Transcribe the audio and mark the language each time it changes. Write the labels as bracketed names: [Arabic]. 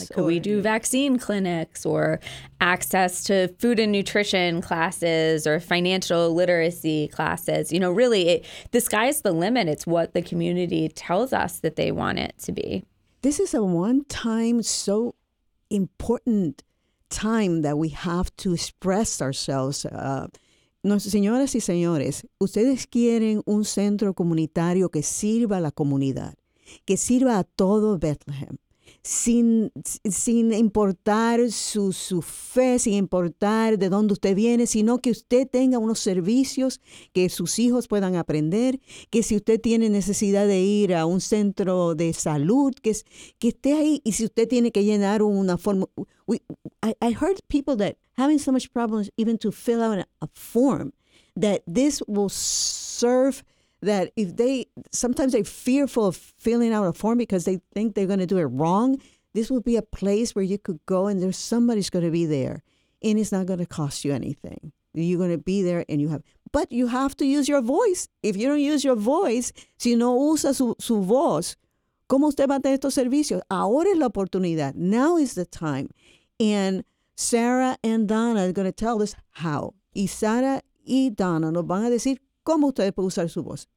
[English] Like, could we do vaccine clinics or access to food and nutrition classes or financial literacy classes? You know, really, the sky's the limit. It's what the community tells us that they want it to be. This is a one-time, so important time that we have to express ourselves. [Spanish] Señoras y señores, ustedes quieren un centro comunitario que sirva a la comunidad, que sirva a todo Bethlehem, sin importar su fe, sin importar de dónde usted viene, sino que usted tenga unos servicios que sus hijos puedan aprender, que si usted tiene necesidad de ir a un centro de salud, que esté ahí, y si usted tiene que llenar una forma. [English] I heard people that having so much problems even to fill out a form, that this will serve, that if they, sometimes they're fearful of filling out a form because they think they're going to do it wrong, this will be a place where you could go and there's somebody's going to be there and it's not going to cost you anything. You're going to be there and you have, but you have to use your voice. If you don't use your voice, [Spanish] si no usa su voz, ¿cómo usted va a tener estos servicios? Ahora es la oportunidad. [English] Now is the time. And Sara and Donna are going to tell us how. [Spanish] Y Sara y Donna nos van a decir, ¿cómo ustedes pueden usar su voz?